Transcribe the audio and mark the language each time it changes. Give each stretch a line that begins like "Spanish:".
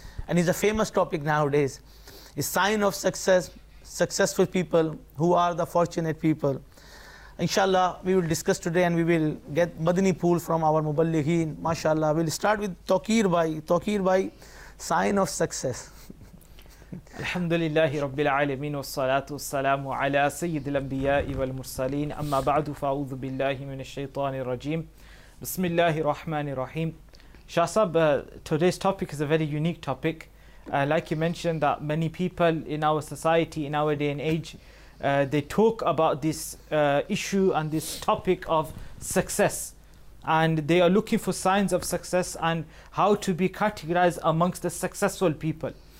English: And it's a famous topic nowadays. It's Science of Success, successful people, who are the fortunate people. Inshallah, we will discuss today and we will get Madani Pool from our Muballighin. MashaAllah, we'll start with Taqir Bhai. Taqir Bhai, Sign of Success.
Arabic: الحمد لله رب العالمين والصلاة والسلام على سيد الأنبياء والمرسلين أما بعد فأعوذ بالله من الشيطان الرجيم بسم الله الرحمن الرحيم
English: Shah Sahab, today's topic is a very unique topic. Like you mentioned that many people in our society, in our day and age, they talk about this issue and this topic of success. And they are looking for signs of success and how to be categorized amongst the successful people.